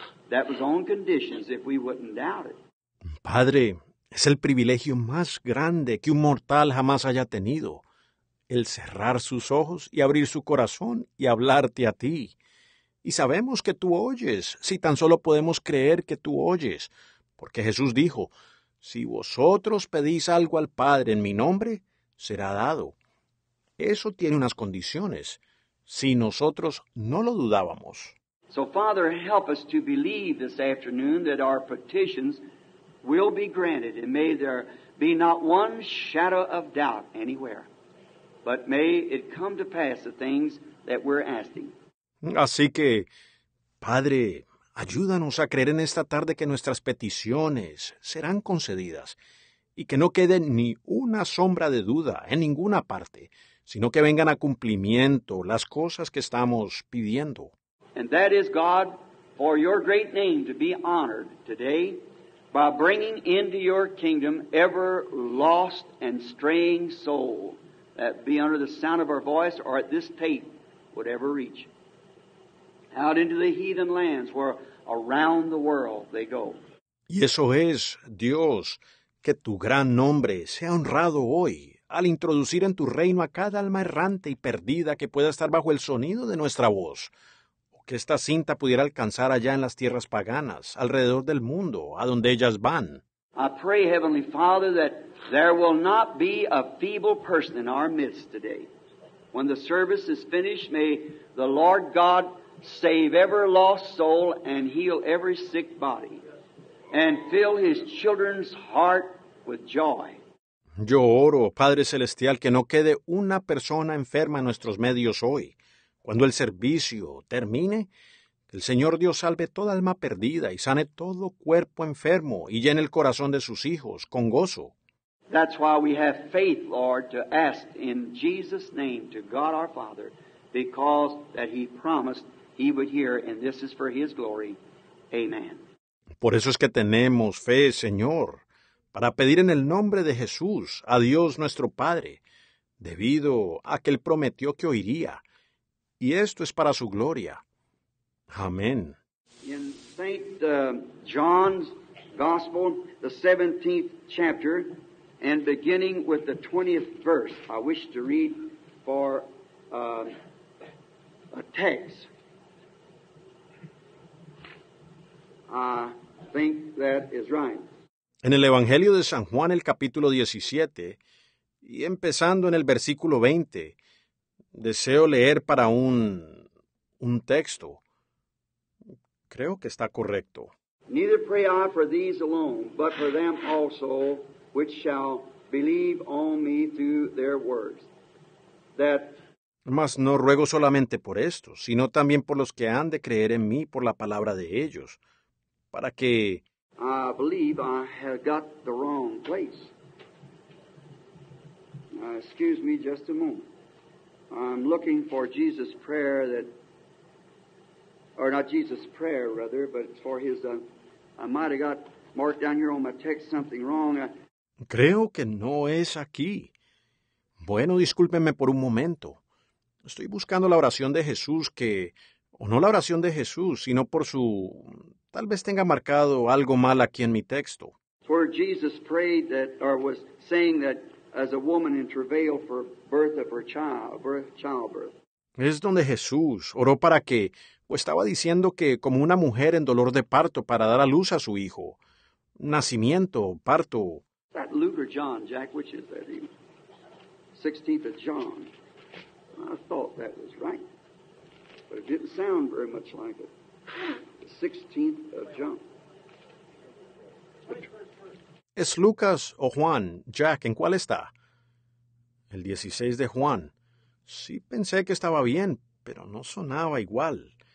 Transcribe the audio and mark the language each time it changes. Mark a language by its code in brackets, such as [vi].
[en] That was on conditions if we wouldn't doubt it. [es] Padre, es el privilegio más grande que un mortal jamás haya tenido, el cerrar sus ojos y abrir su corazón y hablarte a ti. Y sabemos que tú oyes, si tan solo podemos creer que tú oyes, porque Jesús dijo, si vosotros pedís algo al Padre en mi nombre, será dado. Eso tiene unas condiciones, si nosotros no lo dudábamos. [en] So, Father, help us to believe this afternoon that our petitions will be granted, and may there be not one shadow of doubt anywhere, but may it come to pass the things that we're asking. [es] Así que, Padre, ayúdanos a creer en esta tarde que nuestras peticiones serán concedidas, y que no quede ni una sombra de duda en ninguna parte, sino que vengan a cumplimiento las cosas que estamos pidiendo. [en] And that is, God, for your great name to be honored today by bringing into your kingdom every lost and straying soul that be under the sound of our voice or at this tape would ever reach. Out into the heathen lands where around the world they go. [es] Y eso es, Dios, que tu gran nombre sea honrado hoy. Al introducir en tu reino a cada alma errante y perdida que pueda estar bajo el sonido de nuestra voz, o que esta cinta pudiera alcanzar allá en las tierras paganas, alrededor del mundo, a donde ellas van. [en] I pray, Heavenly Father, that there will not be a feeble person in our midst today. When the service is finished, may the Lord God save every lost soul and heal every sick body and fill His children's heart with joy. [es] Yo oro, Padre Celestial, que no quede una persona enferma en nuestros medios hoy. Cuando el servicio termine, que el Señor Dios salve toda alma perdida y sane todo cuerpo enfermo y llene el corazón de sus hijos con gozo. [en] That's why we have faith, Lord, to ask in Jesus' name to God our Father, because that He promised He would hear, and this is for His glory. Amen. [es] Por eso es que tenemos fe, Señor, para pedir en el nombre de Jesús a Dios nuestro Padre, debido a que Él prometió que oiría. Y esto es para su gloria. Amén. [en] In St. John's Gospel, the 17th chapter, and beginning with the 20th verse, I wish to read for a text. I think that is right. [es] En el Evangelio de San Juan, el capítulo 17, y empezando en el versículo 20, deseo leer para un texto. Creo que está correcto. [en] Neither pray I for these alone, but for them also which shall believe on me through their words. That [es] mas no ruego solamente por estos, sino también por los que han de creer en mí por la palabra de ellos, para que [en] I believe I have got the wrong place. Excuse me just a moment. I'm looking for Jesus' prayer that or not Jesus' prayer, rather, but it's for His I might have got marked down here on my text something wrong. [es] Creo que no es aquí. Bueno, discúlpenme por un momento. Estoy buscando la oración de Jesús que, o no la oración de Jesús, sino por su, tal vez tenga marcado algo mal aquí en mi texto. [en] For Jesus prayed that, or was saying that, as a woman in travail for birth of her child, childbirth. [es] Es donde Jesús oró para que, o estaba diciendo que como una mujer en dolor de parto para dar a luz a su hijo. Nacimiento, parto. [en] That Luke or John, Jack, which is that? 16th of John. I thought that was right. But it didn't sound very much like it. The 16th of John. [es] ¿Es Lucas o Juan, Jack, en cuál está? El 16 de Juan. Sí pensé que estaba bien, pero no sonaba igual.